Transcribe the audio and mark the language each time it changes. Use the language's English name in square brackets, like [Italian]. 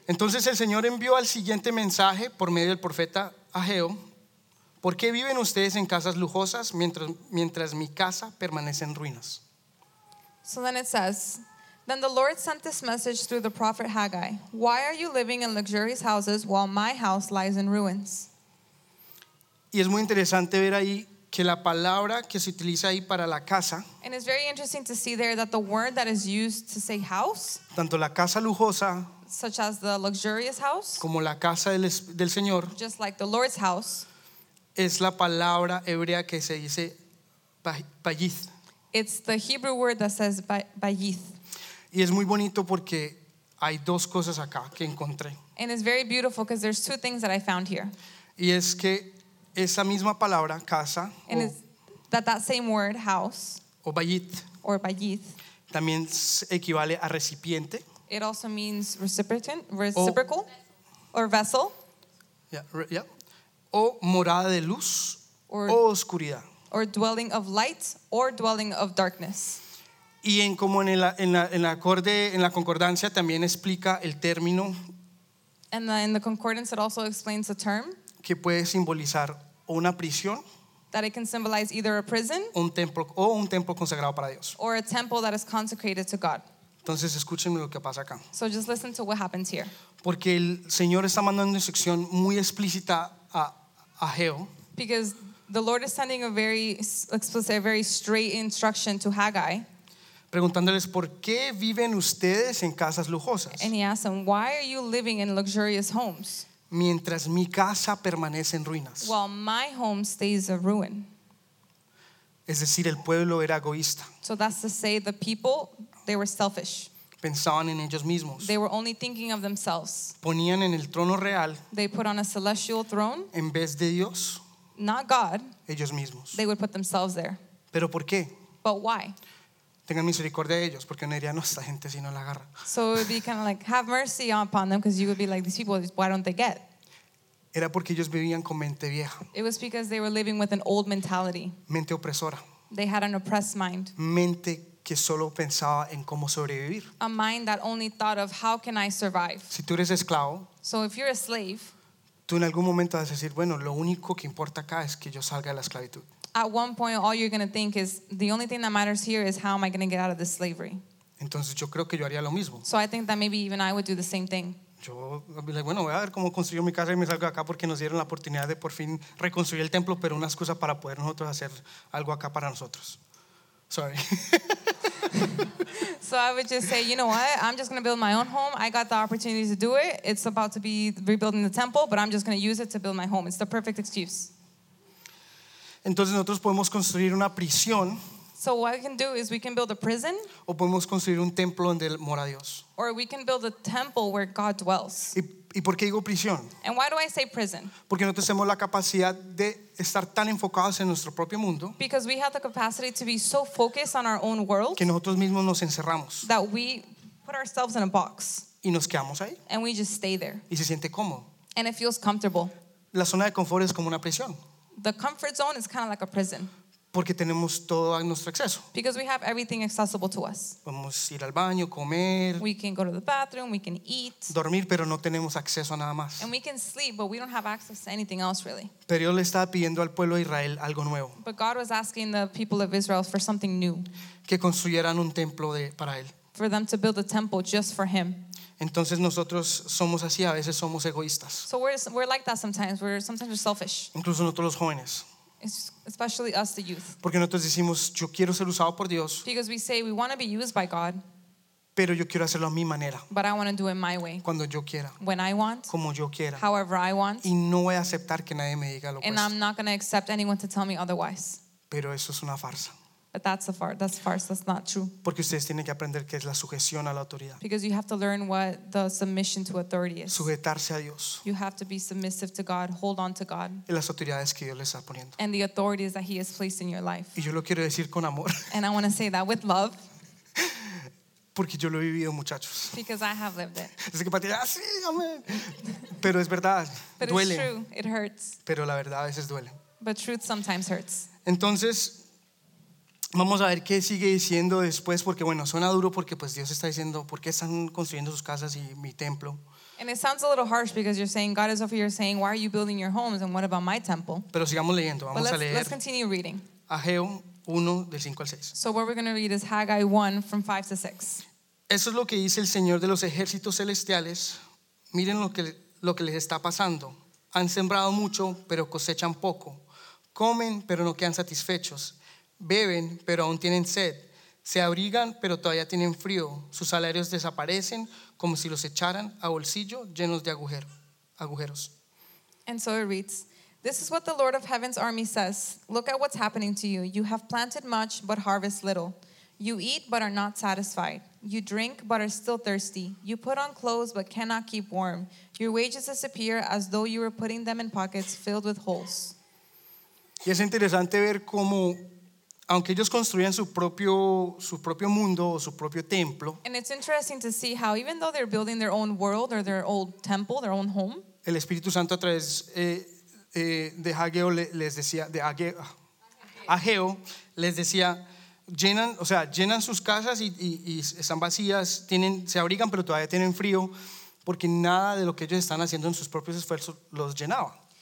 [Spanish] Entonces el Señor envió al siguiente mensaje por medio del profeta Ageo. ¿Por qué viven ustedes en casas lujosas mientras mi casa permanece en ruinas? [English] So then it says, then the Lord sent this message through the prophet Haggai. Why are you living in luxurious houses while my house lies in ruins? [Spanish] Y es muy interesante ver ahí que la palabra que se utiliza ahí para la casa. [English] And it's very interesting to see there that the word that is used to say house. [Spanish] Tanto la casa lujosa. [English] Such as the luxurious house. [Spanish] Como la casa del Señor. [English] Just like the Lord's house. [Spanish] Es la palabra hebrea que se dice bayith. [English] It's the Hebrew word that says bayith. [Spanish] Y es muy bonito porque hay dos cosas acá que encontré. [English] And it's very beautiful because there's two things that I found here. [Spanish] Y es que esa misma palabra, casa, [English] and it's that same word, house, [Spanish] o bayit, [English] or bayit, [Spanish] también equivale a recipiente. [English] It also means reciprocal, or vessel. [Spanish] Yeah. O morada de luz, o oscuridad. [English] Or dwelling of light, or dwelling of darkness. [Spanish] Y en como en la concordancia también explica el término. [English] And in the concordance it also explains the term. [Spanish] Que puede simbolizar una prisión, [English] that it can symbolize either a prison, [Spanish] un templo, o un templo consagrado para Dios, [English] or a temple that is consecrated to God. [Spanish] Entonces escúchenme lo que pasa acá. [English] So just listen to what happens here. [Spanish] Porque el Señor está mandando una instrucción muy explícita a Geo. [English] Because the Lord is sending a very explicit, a very straight instruction to Haggai. [Spanish] Preguntándoles por qué viven ustedes en casas lujosas. [English] And he asks them, why are you living in luxurious homes? [Spanish] Mientras mi casa permanece en ruinas. [English] Well, my home stays a ruin. [Spanish] Es decir, el pueblo era egoísta. [English] So that's to say the people, they were selfish. [Spanish] Pensaban en ellos mismos. [English] They were only thinking of themselves. [Spanish] Ponían en el trono real. [English] They put on a celestial throne. [Spanish] En vez de Dios. [English] Not God. [Spanish] Ellos mismos. [English] They would put themselves there. [Spanish] ¿Pero por qué? [English] But why? [Spanish] Tengan misericordia de ellos porque no dirían no esta gente si no la agarra. [English] So it would be kind of like have mercy upon them because you would be like these people, why don't they get? [Spanish] Era porque ellos vivían con mente vieja. [English] It was because they were living with an old mentality. [Spanish] Mente opresora. [English] They had an oppressed mind. [Spanish] Mente que solo pensaba en cómo sobrevivir. [English] A mind that only thought of how can I survive. [Spanish] Si tú eres esclavo. [English] So if you're a slave. [Spanish] Tú en algún momento vas a decir bueno lo único que importa acá es que yo salga de la esclavitud. [English] At one point, all you're going to think is, the only thing that matters here is how am I going to get out of this slavery? [Spanish] Entonces, yo creo que yo haría lo mismo. [English] So I think that maybe even I would do the same thing. [Spanish] Yo, [English] I'd be like, [Spanish] bueno, voy a ver cómo construyo mi casa y me salgo acá porque nos dieron la oportunidad de por fin reconstruir el templo, pero una excusa para poder nosotros hacer algo acá para nosotros. [English] Sorry. So I would just say, you know what? I'm just going to build my own home. I got the opportunity to do it. It's about to be rebuilding the temple, but I'm just going to use it to build my home. It's the perfect excuse. [Spanish] Entonces nosotros podemos construir una prisión. [English] So what we can do is we can build a prison. [Spanish] O podemos construir un templo donde mora Dios. [English] Or we can build a temple where God dwells. [Spanish] ¿Y por qué digo prisión? [English] And why do I say prison? [Spanish] Porque no tenemos la capacidad de estar tan enfocados en nuestro propio mundo. [English] Because we have the capacity to be so focused on our own world. [Spanish] Que nosotros mismos nos encerramos. [English] That we put ourselves in a box. [Spanish] Y nos quedamos ahí. [English] And we just stay there. [Spanish] Y se siente cómodo. [English] And it feels comfortable. [Spanish] La zona de confort es como una prisión. [English] The comfort zone is kind of like a prison. [Spanish] Porque tenemos todo a nuestro acceso. [English] Because we have everything accessible to us. [Spanish] Podemos ir al baño, comer. [English] We can go to the bathroom, we can eat. [Spanish] Dormir, pero no tenemos acceso a nada más. [English] And we can sleep, but we don't have access to anything else really. [Spanish] Pero Dios le estaba pidiendo al pueblo de Israel algo nuevo. [English] But God was asking the people of Israel for something new. [Spanish] Que construyeran un templo para él. [English] For them to build a temple just for him. [Spanish] Entonces nosotros somos así, a veces somos egoístas. [English] So we're like that sometimes. We're selfish. [Spanish] Incluso nosotros los jóvenes. [English] Especially us, the youth. [Spanish] Porque nosotros decimos, yo quiero ser usado por Dios. [English] Because we say we want to be used by God. [Spanish] Pero yo quiero hacerlo a mi manera. [English] But I want to do it my way. [Spanish] Cuando yo quiera. [English] When I want. [Spanish] Como yo quiera. [English] However I want. [Spanish] Y no voy a aceptar que nadie me diga lo [English] que. And I'm not going to accept anyone to tell me otherwise. [Spanish] Pero eso es una farsa. [English] But that's a farce. That's not true. [Spanish] Porque ustedes tienen que aprender qué es la sujeción a la autoridad. [English] Because you have to learn what the submission to authority is. [Spanish] Sujetarse a Dios. [English] You have to be submissive to God. Hold on to God. [Spanish] Y las autoridades que Dios les está poniendo. [English] And the authorities that He has placed in your life. [Spanish] Y yo lo quiero decir con amor. [English] And I want to say that with love. [Spanish] Porque yo lo he vivido, muchachos. [English] Because I have lived it. [Spanish] Así que para ti, ah, sí, amén. Pero es verdad. [English] But [Spanish] duele. [English] It's true. It hurts. [Spanish] Pero la verdad a veces duele. [English] But truth sometimes hurts. [Spanish] Entonces. Vamos a ver qué sigue diciendo después, porque bueno, suena duro porque pues Dios está diciendo, ¿por qué están construyendo sus casas y mi templo? [English] And it sounds a little harsh because you're saying, God is over here saying, why are you building your homes and what about my temple? [Spanish] Pero sigamos leyendo, vamos [English] let's, [Spanish] a leer. [English] Let's continue reading. [Spanish] Ageo 1, del 5 al 6. [English] So what we're going to read is Haggai 1, from 5 to 6. [Spanish] Eso es lo que dice el Señor de los ejércitos celestiales. Miren lo que les está pasando. Han sembrado mucho, pero cosechan poco. Comen, pero no quedan satisfechos. Beben, pero aún tienen sed. Se abrigan, pero todavía tienen frío. Sus salarios desaparecen como si los echaran a bolsillo llenos de agujeros. [English] And so it reads, this is what the Lord of Heaven's army says. Look at what's happening to you. You have planted much, but harvest little. You eat, but are not satisfied. You drink, but are still thirsty. You put on clothes, but cannot keep warm. Your wages disappear as though you were putting them in pockets filled with holes. [Spanish] Y es interesante ver cómo aunque ellos construían su propio mundo o su propio templo. [English] And it's interesting to see how even though they're building their own world or their old temple, their own home. [Spanish] El Espíritu Santo a través de Ageo les decía, Ageo les decía, llenan sus casas y están vacías, se abrigan pero todavía tienen frío porque nada de lo que ellos están haciendo en sus propios esfuerzos los llenaba.